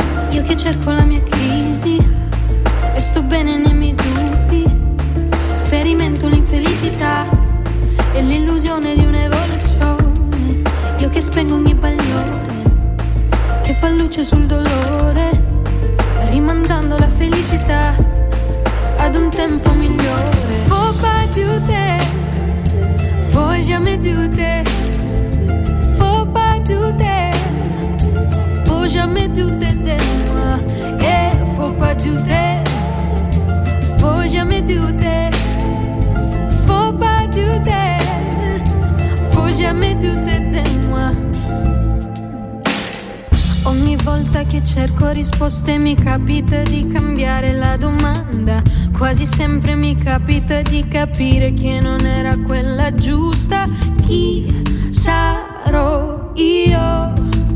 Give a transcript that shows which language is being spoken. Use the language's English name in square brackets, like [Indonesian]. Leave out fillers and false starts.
[Italian] Io che cerco la mia crisi e sto bene nei miei dubbi, sperimento l'infelicità e l'illusione di un'evoluzione. Io che spengo ogni bagliore che fa luce sul dolore, rimandando la felicità ad un tempo migliore. [French] Faut pas du te, faut jamais douter. Faut pas douter, faut jamais douter de moi. Et faut pas douter, faut jamais douter. Faut pas douter, faut jamais douter de moi. [Italian] Ogni volta che cerco risposte mi capita di cambiare la domanda. Quasi sempre mi capita di capire che non era quella giusta. Chi sarò io?